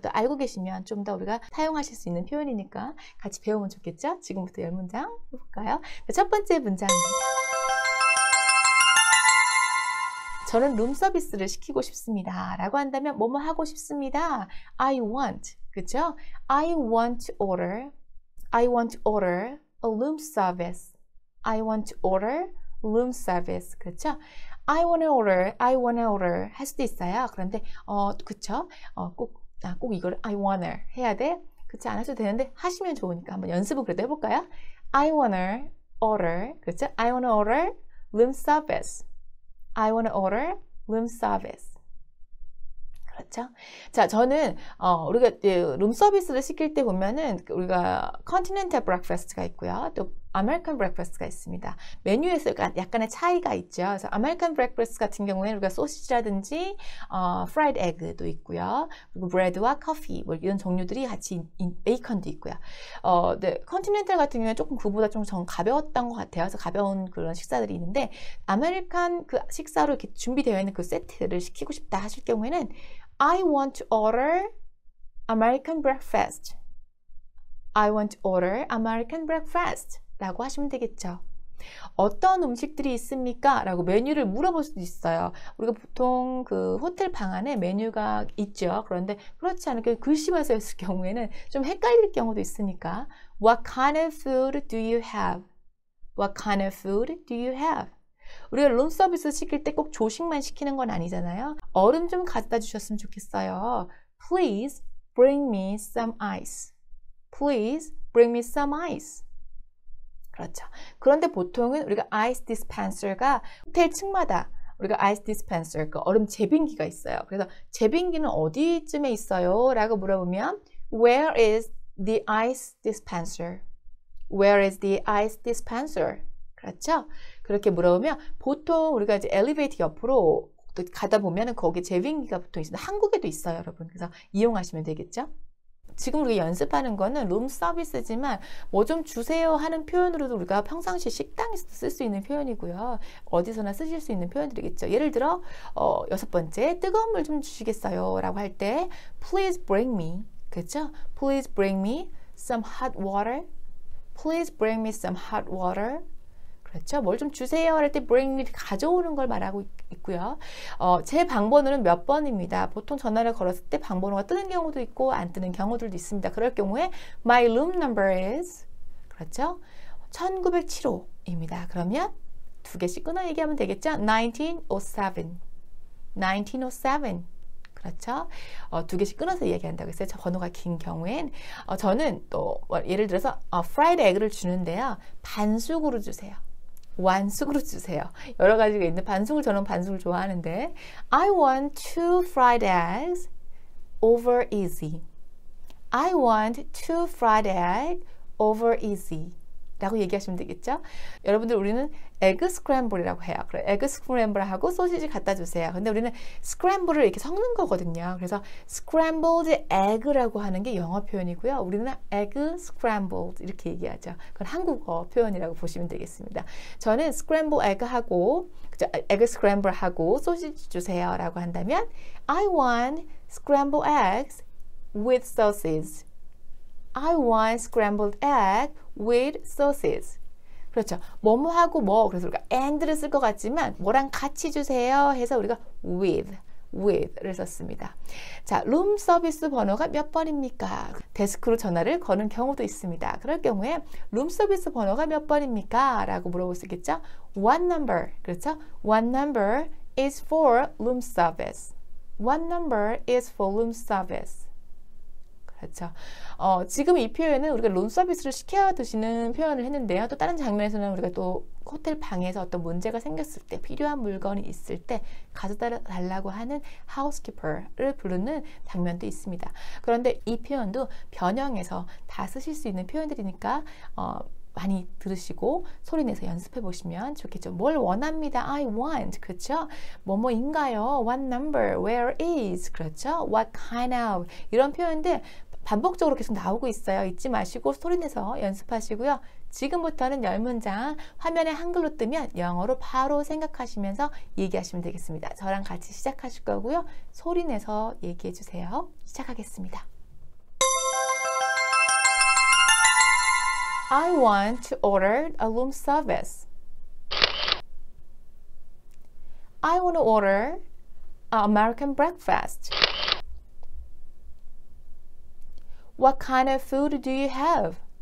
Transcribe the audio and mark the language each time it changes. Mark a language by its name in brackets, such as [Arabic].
[Korean] 또 알고 계시면 좀더 우리가 사용하실 수 있는 표현이니까 같이 배우면 좋겠죠? 지금부터 10문장 해볼까요? 첫 번째 문장입니다. 저는 룸서비스를 시키고 싶습니다. 라고 한다면 뭐뭐 하고 싶습니다. [English] I want, [Korean] 그쵸? [English] I want to order a room service. I want to order room service, [Korean] 그쵸? [English] I wanna order [Korean] 할 수도 있어요. 그런데 그쵸? 꼭 이걸 [English] I wanna [Korean] 해야 돼? 그렇지 않아도 되는데 하시면 좋으니까 한번 연습을 그래도 해볼까요? [English] I wanna order, [Korean] 그쵸? [English] I wanna order room service. I want to order room service. [Korean] 그렇죠? 자, 저는 우리가 룸 서비스를 시킬 때 보면은 우리가 Continental Breakfast가 있고요. 또 American Breakfast가 있습니다. 메뉴에서 약간의 차이가 있죠. 그래서 American Breakfast 같은 경우에는 우리가 소시지라든지 Fried Egg도 있고요. 그리고 Bread와 Coffee 뭐 이런 종류들이 같이 베이컨도 있고요. 네, Continental 같은 경우에는 조금 그보다 좀전 가벼웠던 것 같아요. 그래서 가벼운 그런 식사들이 있는데 아메리칸 그 식사로 이렇게 준비되어 있는 그 세트를 시키고 싶다 하실 경우에는 [English] I want to order American breakfast. I want to order American breakfast. [Korean] 라고 하시면 되겠죠. 어떤 음식들이 있습니까? 라고 메뉴를 물어볼 수도 있어요. 우리가 보통 그 호텔 방 안에 메뉴가 있죠. 그런데 그렇지 않게 글씨만 써 있을 경우에는 좀 헷갈릴 경우도 있으니까. [English] What kind of food do you have? What kind of food do you have? [Korean] 우리가 룸 서비스 시킬 때꼭 조식만 시키는 건 아니잖아요. 얼음 좀 가져다 주셨으면 좋겠어요. [English] Please bring me some ice. Please bring me some ice. [Korean] 그렇죠. 그런데 보통은 우리가 아이스 디스펜서가 호텔 층마다 우리가 아이스 디스펜서, 그 얼음 제빙기가 있어요. 그래서 제빙기는 어디쯤에 있어요? 라고 물어보면 [English] Where is the ice dispenser? Where is the ice dispenser? [Korean] 그렇죠? 그렇게 물어보면 보통 우리가 이제 엘리베이터 옆으로 가다 보면은 거기 제빙기가 보통 있습니다. 한국에도 있어요, 여러분. 그래서 이용하시면 되겠죠? 지금 우리가 연습하는 거는 룸 서비스지만 뭐좀 주세요 하는 표현으로도 우리가 평상시 식당에서도 쓸수 있는 표현이고요. 어디서나 쓰실 수 있는 표현들이겠죠. 예를 들어, 여섯 번째, 뜨거운 물좀 주시겠어요? 라고 할 때, [English] Please bring me. [Korean] 그렇죠? [English] Please bring me some hot water. Please bring me some hot water. [Korean] 그렇죠? 뭘좀 주세요 할때 [English] bring me [Korean] 가져오는 걸 말하고 있고요. 제 방번호는 몇 번입니다. 보통 전화를 걸었을 때 방번호가 뜨는 경우도 있고 안 뜨는 경우들도 있습니다. 그럴 경우에 [English] my room number is [Korean] 그렇죠? 1907호입니다. 그러면 두 개씩 끊어 얘기하면 되겠죠? 1907. 1907. 그렇죠? 두 개씩 끊어서 얘기한다고 했어요. 저 번호가 긴 경우엔 저는 또 예를 들어서 fried egg를 주는데요. 반숙으로 주세요. 완숙으로 주세요. 여러 가지가 있는데 반숙을 저는 반숙을 좋아하는데 [English] I want two fried eggs over easy. I want two fried egg over easy. [Korean] 라고 얘기하시면 되겠죠? 여러분들 우리는 에그 스크램블이라고 해요. 그래, 에그 스크램블하고 소시지 갖다 주세요. 근데 우리는 스크램블을 이렇게 섞는 거거든요. 그래서 scrambled egg라고 하는 게 영어 표현이고요. 우리는 에그 스크램블드 이렇게 얘기하죠. 그건 한국어 표현이라고 보시면 되겠습니다. 저는 scramble egg하고 에그 스크램블하고 소시지 주세요 라고 한다면 [English] I want scrambled eggs with sausage. I want scrambled egg with sausage. [Korean] 그렇죠. 뭐뭐하고 뭐. 그래서 우리가 and를 쓸 것 같지만 뭐랑 같이 주세요 해서 우리가 with를 썼습니다. 자, 룸 서비스 번호가 몇 번입니까? 데스크로 전화를 거는 경우도 있습니다. 그럴 경우에 룸 서비스 번호가 몇 번입니까? 라고 물어볼 수 있겠죠? [English] What number? [Korean] 그렇죠? [English] What number is for room service? What number is for room service? [Korean] 그렇죠. 지금 이 표현은 우리가 룸 서비스를 시켜 드시는 표현을 했는데요. 또 다른 장면에서는 우리가 또 호텔 방에서 어떤 문제가 생겼을 때 필요한 물건이 있을 때 가져다 달라고 하는 housekeeper를 부르는 장면도 있습니다. 그런데 이 표현도 변형해서 다 쓰실 수 있는 표현들이니까 많이 들으시고 소리내서 연습해 보시면 좋겠죠. 뭘 원합니다. [English] I want. [Korean] 그렇죠? 뭐뭐인가요? [English] What number? Where is? 그렇죠? What kind of? [Korean] 이런 표현들 반복적으로 계속 나오고 있어요. 잊지 마시고 소리내서 연습하시고요. 지금부터는 열 문장 화면에 한글로 뜨면 영어로 바로 생각하시면서 얘기하시면 되겠습니다. 저랑 같이 시작하실 거고요. 소리내서 얘기해 주세요. 시작하겠습니다. [English] I want to order a room service. I want to order an American breakfast. What kind of food do you have?